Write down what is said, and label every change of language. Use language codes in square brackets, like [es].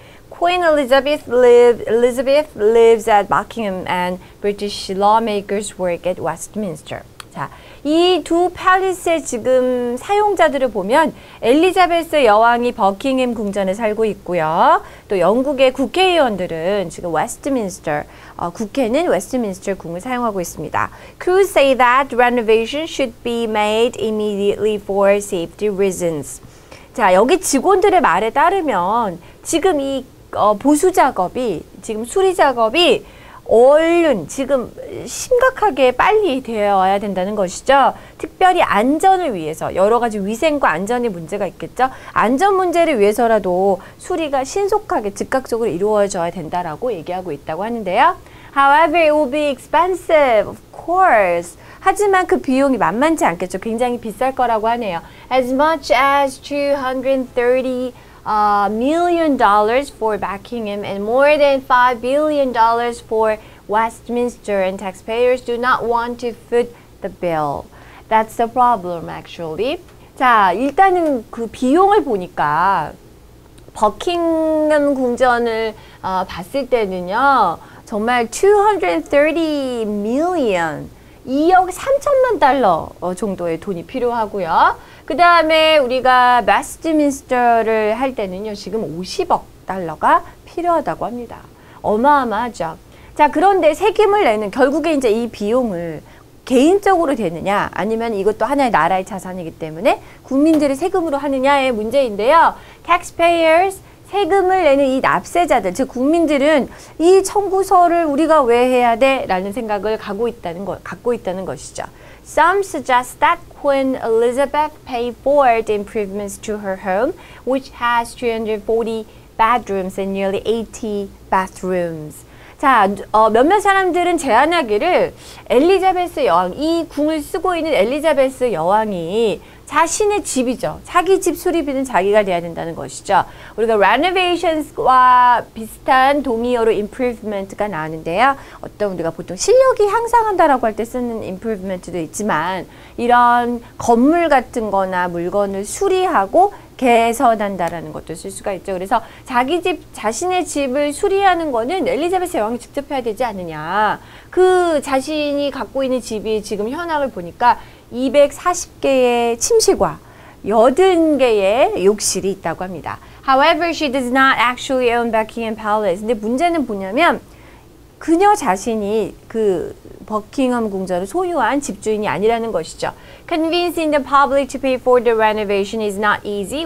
[en] Queen Elizabeth lives at Buckingham and British lawmakers work at Westminster. [ko] 자, 이두 팰리스의 지금 사용자들을 보면 엘리자베스 여왕이 버킹햄 궁전에 살고 있고요. 또 영국의 국회의원들은 지금 국회는 웨스트민스터 궁을 사용하고 있습니다. [en] Crews say that renovation should be made immediately for safety reasons. [ko] 자, 여기 직원들의 말에 따르면 지금 이 보수 작업이 지금 수리 작업이 얼른 지금 심각하게 빨리 되어야 된다는 것이죠. 특별히 안전을 위해서 여러 가지 위생과 안전이 문제가 있겠죠. 안전 문제를 위해서라도 수리가 신속하게 즉각적으로 이루어져야 된다라고 얘기하고 있다고 하는데요. [en] However, it will be expensive, of course. [ko] 하지만 그 비용이 만만치 않겠죠. 굉장히 비쌀 거라고 하네요. [en] As much as 230 million dollars for Buckingham and more than $5 billion for Westminster, and taxpayers do not want to foot the bill. That's the problem, actually. [ko] 자, 일단은 그 비용을 보니까 버킹햄 궁전을 봤을 때는요, 정말 230 million, 2억 3천만 달러 정도의 돈이 필요하고요. 그 다음에 우리가 웨스트민스터를 할 때는요, 지금 50억 달러가 필요하다고 합니다. 어마어마하죠. 자, 그런데 세금을 내는, 결국에 이제 이 비용을 개인적으로 되느냐, 아니면 이것도 하나의 나라의 자산이기 때문에 국민들의 세금으로 하느냐의 문제인데요. Taxpayers, 세금을 내는 이 납세자들, 즉 국민들은 이 청구서를 우리가 왜 해야 돼? 라는 생각을 갖고 있다는 것이죠. [en] Some suggest that Queen Elizabeth paid for the improvements to her home, which has 340 bedrooms and nearly 80 bathrooms. [ko] 자, 몇몇 사람들은 제안하기를 엘리자베스 여왕, 이 궁을 쓰고 있는 엘리자베스 여왕이 자신의 집이죠. 자기 집 수리비는 자기가 내야 된다는 것이죠. 우리가 renovations와 비슷한 동의어로 improvement가 나왔는데요. 어떤 우리가 보통 실력이 향상한다라고 할 때 쓰는 improvement도 있지만 이런 건물 같은 거나 물건을 수리하고 개선한다라는 것도 쓸 수가 있죠. 그래서 자기 집, 자신의 집을 수리하는 거는 엘리자베스 여왕이 직접 해야 되지 않느냐. 그 자신이 갖고 있는 집이 지금 현황을 보니까 240개의 침실과 80개의 욕실이 있다고 합니다. [en] However, she does not actually own Buckingham Palace. [ko] 근데 문제는 뭐냐면 그녀 자신이 그 버킹엄 궁전을 소유한 집주인이 아니라는 것이죠. [en] Convincing the public to pay for the renovation is not easy.